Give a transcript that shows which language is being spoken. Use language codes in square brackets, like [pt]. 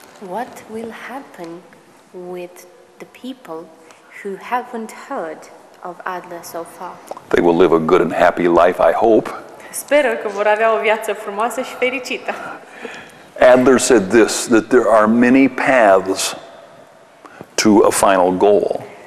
[en] What will happen with the people who haven't heard of Adler so far? They will live a good and happy life, I hope. [ro] Speră că vor avea o viață frumoasă și fericită. [en] Adler said this, that there are many paths to a final goal.